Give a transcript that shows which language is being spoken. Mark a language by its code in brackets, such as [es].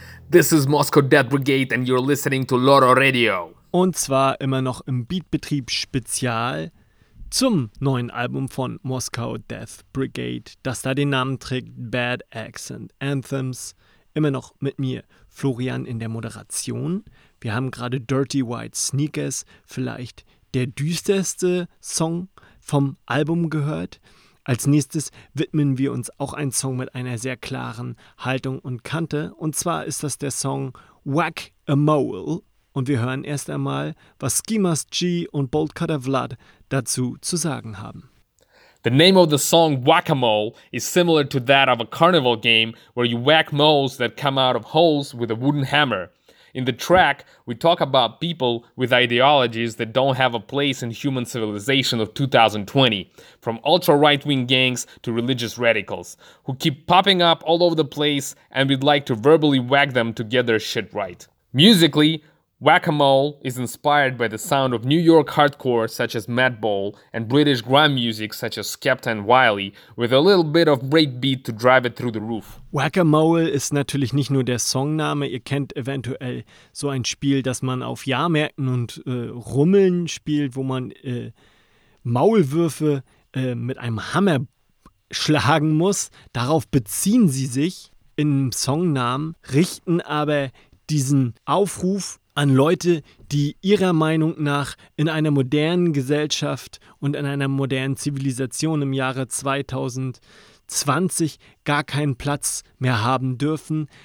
[en] This is Moscow Death Brigade and you're listening to Loro Radio. [de] Und zwar immer noch im Beatbetrieb Spezial zum neuen Album von Moscow Death Brigade, das da den Namen trägt Bad Accent Anthems. Immer noch mit mir, Florian, in der Moderation. Wir haben gerade Dirty White Sneakers, vielleicht der düsterste Song vom Album, gehört. Als nächstes widmen wir uns auch einem Song mit einer sehr klaren Haltung und Kante. Und zwar ist das der Song Whack a Mole. Und wir hören erst einmal, was Ski Mask G und Bolt Cutter Vlad dazu zu sagen haben. [en] The name of the song Whack-A-Mole is similar to that of a carnival game where you whack moles that come out of holes with a wooden hammer. In the track, we talk about people with ideologies that don't have a place in human civilization of 2020, from ultra-right-wing gangs to religious radicals, who keep popping up all over the place and we'd like to verbally whack them to get their shit right. Musically, Whack-A-Mole is inspired by the sound of New York hardcore such as Madball and British grime music such as Skepta and Wiley, with a little bit of breakbeat to drive it through the roof. [de] Whack-A-Mole ist natürlich nicht nur der Songname. Ihr kennt eventuell so ein Spiel, das man auf Jahrmärkten und Rummeln spielt, wo man Maulwürfe mit einem Hammer schlagen muss. Darauf beziehen sie sich im Songnamen, richten aber diesen Aufruf an Leute, die ihrer Meinung nach in einer modernen Gesellschaft und in einer modernen Zivilisation im Jahre 2020 gar keinen Platz mehr haben dürfen.